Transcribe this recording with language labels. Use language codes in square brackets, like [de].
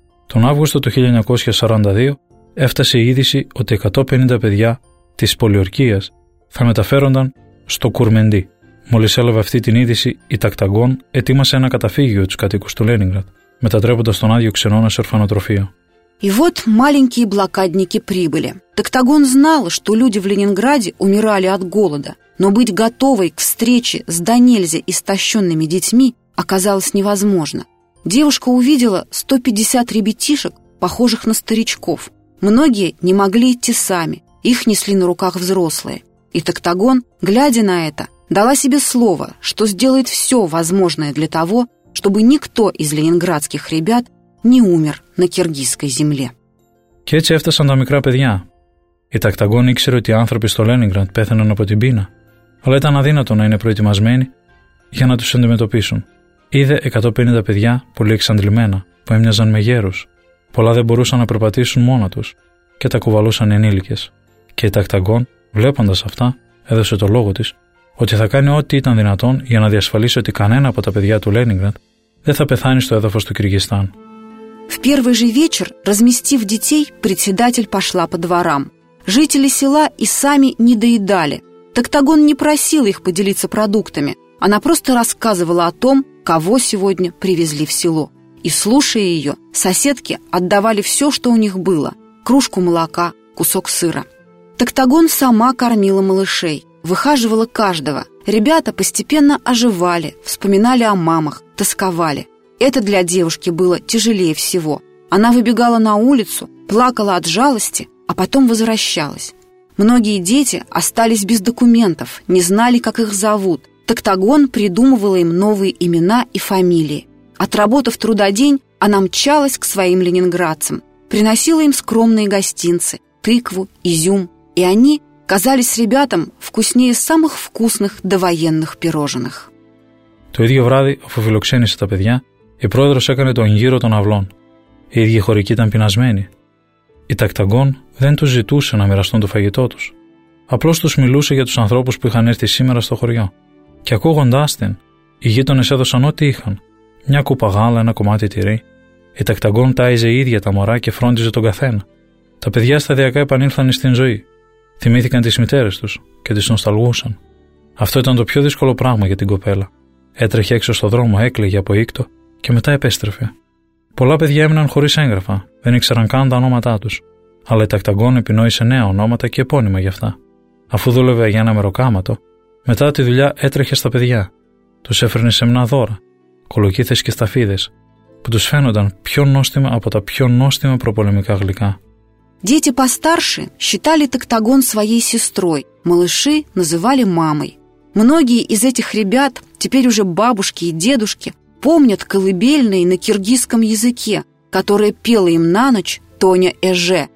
[el] Τον Αύγουστο του 1942 έφτασε η είδηση ότι 150 παιδιά της πολιορκίας θα μεταφέρονταν στο Κουρμεντί. Μόλις έλαβε αυτή την είδηση, η Τακταγκούν ετοίμασε ένα καταφύγιο τους κατοίκους του Λένιγκρατ, μετατρέποντας τον άδειο ξενώνα σε ορφανοτροφείο. [ru] И вот маленькие блокадники прибыли. Тактагон знала, что люди в Ленинграде умирали от голода, но быть готовой к встрече с донельзя истощенными детьми оказалось невозможно. Девушка увидела 150 ребятишек, похожих на старичков. Многие не могли идти сами, их несли на руках взрослые. И Тактагон, глядя на это, дала себе слово, что сделает все возможное для того, чтобы никто из ленинградских ребят не умер на киргизской земле. [el] Και έτσι έφτασαν τα μικρά παιδιά. Η Τακταγκούν ήξερε ότι οι άνθρωποι στο Λένιγκραντ πέθαναν από την πείνα, αλλά ήταν αδύνατο να είναι προετοιμασμένοι για να τους αντιμετωπίσουν. Είδε 150 παιδιά πολύ εξαντλημένα, που έμοιαζαν με γέρους. Πολλά δεν μπορούσαν να περπατήσουν μόνα τους και τα κουβαλούσαν ενήλικες. Και η Τακταγκούν, βλέποντας αυτά, έδωσε το λόγο της ότι θα κάνει ό,τι ήταν δυνατόν για να διασφαλίσει ότι κανένα από τα παιδιά του Λένιγκραντ δεν θα πεθάνει στο έδαφος του Κυργιστάν. [ru] В первый же вечер, разместив детей, председатель пошла по дворам. Жители села и сами недоедали. Тактагон не просила их поделиться продуктами. Она просто рассказывала о том, кого сегодня привезли в село. И, слушая ее, соседки отдавали все, что у них было. Кружку молока, кусок сыра. Тактагон сама кормила малышей, выхаживала каждого. Ребята постепенно оживали, вспоминали о мамах, тосковали. Это для девушки было тяжелее всего. Она выбегала на улицу, плакала от жалости, а потом возвращалась. Многие дети остались без документов, не знали, как их зовут. Тактагон придумывала им новые имена и фамилии. Отработав трудодень, она мчалась к своим ленинградцам, приносила им скромные гостинцы, тыкву, изюм. И они казались ребятам вкуснее самых вкусных довоенных пирожных. [el] Το ίδιο βράδυ, αφού φιλοξένησε τα παιδιά, η πρόεδρος έκανε τον γύρο των αυλών. Οι ίδιοι χωρικοί ήταν πεινασμένοι. Η Τακταγκόν δεν τους ζητούσε να μοιραστούν το φαγητό τους. Απλώς τους μιλούσε για τους ανθρώπους που είχαν έρθει σήμερα στο χωριό. Και ακούγοντάς την, οι γείτονες έδωσαν ό,τι είχαν. Μια κούπα γάλα, ένα κομμάτι τυρί. Η Τακταγκόν τάιζε η ίδια τα μωρά και φρόντιζε τον καθένα. Τα παιδιά σταδιακά επανήλθαν στην ζωή. Θυμήθηκαν τις μητέρες τους και τις νοσταλγούσαν. Αυτό ήταν το πιο δύσκολο πράγμα για την κοπέλα. Έτρεχε έξω στο δρόμο, έκλαιγε από ύκτο και μετά επέστρεφε. Πολλά παιδιά έμειναν χωρίς έγγραφα, δεν ήξεραν καν τα ονόματά τους. Αλλά η Τακταγκόν επινόησε νέα ονόματα και επώνυμα για αυτά. Αφού δούλευε για ένα μεροκάματο, μετά τη δουλειά έτρεχε στα παιδιά. Τους έφερνε σεμνά δώρα, κολοκύθες και σταφίδες, που τους φαίνονταν πιο νόστιμα από τα πιο νόστιμα προπολεμικά γλυκά. [ru] Дети постарше считали Тактагон своей сестрой, малыши называли мамой. Многие из этих ребят, теперь уже бабушки и дедушки, помнят колыбельные на киргизском языке, которые пела им на ночь Тоня Эже.